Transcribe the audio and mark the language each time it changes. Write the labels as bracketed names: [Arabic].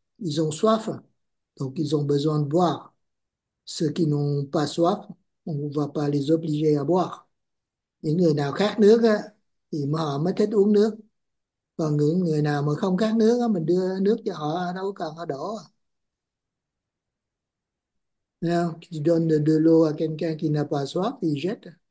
[French] Ils ont soif, donc ils ont besoin de boire. Ceux qui n'ont pas soif, on ne va pas les obliger à boire. [Vietnamese] Những người nào khát nước á, thì họ mới thích uống nước. Còn những người nào mà không khát nước á, mình đưa nước cho họ đâu cần họ đổ. [French] Nào, tu donnes de l'eau à quelqu'un qui n'a pas soif, il jette.